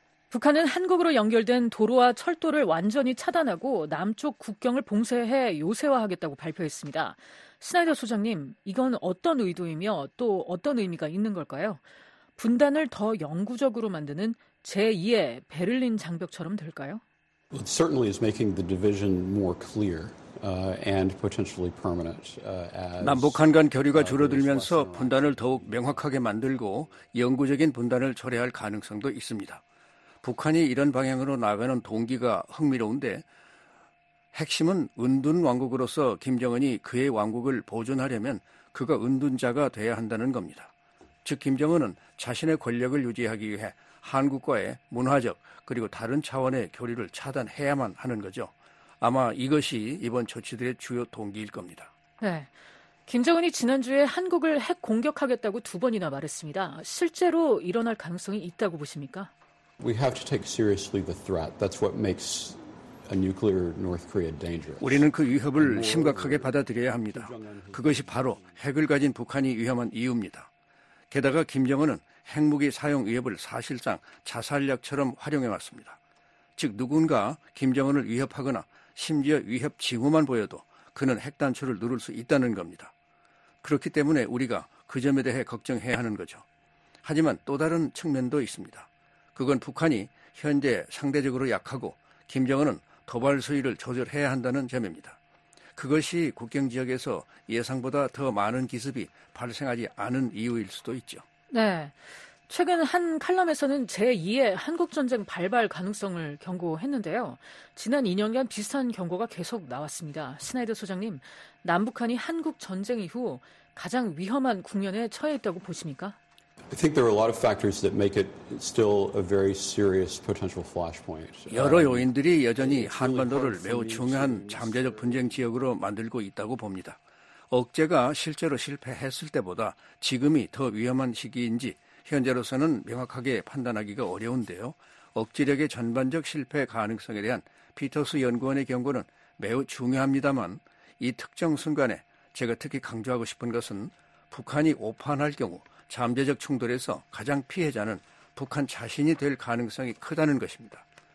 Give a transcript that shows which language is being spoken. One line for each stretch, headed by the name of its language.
Korean: 북한은 한국으로 연결된 도로와 철도를 완전히 차단하고 남쪽 국경을 봉쇄해 요새화하겠다고 발표했습니다. 스나이더 소장님, 이건 어떤 의도이며 또 어떤 의미가 있는 걸까요? 분단을 더 영구적으로 만드는 제2의 베를린 장벽처럼 될까요?
English: It certainly is making the division more clear. And potentially permanent.
Korean: 남북한 간 교류가 줄어들면서 분단을 더욱 명확하게 만들고 영구적인 분단을 초래할 가능성도 있습니다. 북한이 이런 방향으로 나가는 동기가 흥미로운데 핵심은 은둔 왕국으로서 김정은이 그의 왕국을 보존하려면 그가 은둔자가 돼야 한다는 겁니다. 즉 김정은은 자신의 권력을 유지하기 위해 한국과의 문화적 그리고 다른 차원의 교류를 차단해야만 하는 거죠. 아마 이것이 이번 조치들의 주요 동기일 겁니다. 네, 김정은이 지난주에 한국을 핵 공격하겠다고 두 번이나 말했습니다. 실제로 일어날 가능성이 있다고 보십니까?
English: We have to take seriously the threat. That's what makes a nuclear North Korea dangerous.
Korean: 우리는 그 위협을 심각하게 받아들여야 합니다. 그것이 바로 핵을 가진 북한이 위험한 이유입니다. 게다가 김정은은 핵무기 사용 위협을 사실상 자살약처럼 활용해 왔습니다. 즉 누군가 김정은을 위협하거나 심지어 위협 징후만 보여도 그는 핵단추를 누를 수 있다는 겁니다. 그렇기 때문에 우리가 그 점에 대해 걱정해야 하는 거죠. 하지만 또 다른 측면도 있습니다. 그건 북한이 현재 상대적으로 약하고 김정은은 도발 수위를 조절해야 한다는 점입니다. 그것이 국경 지역에서 예상보다 더 많은 기습이 발생하지 않은 이유일 수도 있죠. 네. 최근 한 칼럼에서는 제2의 한국전쟁 발발 가능성을 경고했는데요. 지난 2년간 비슷한 경고가 계속 나왔습니다. 스나이더 소장님, 남북한이 한국전쟁 이후 가장 위험한 국면에 처해 있다고 보십니까?
English: I think there are a lot of factors that make it still a very serious potential flashpoint.
Korean: 여러 요인들이 여전히 한반도를 매우 중요한 잠재적 분쟁 지역으로 만들고 있다고 봅니다. 억제가 실제로 실패했을 때보다 지금이 더 위험한 시기인지 현재로서는 명확하게 판단하기가 어려운데요. 억지력의 전반적 실패 가능성에 대한 피터스 연구원의 경고는 매우 중요합니다만 이 특정 순간에 제가 특히 강조하고 싶은 것은 북한이 오판할 경우 잠재적 충돌에서 가장 피해자는 북한 자신이 될 가능성이 크다는 것입니다.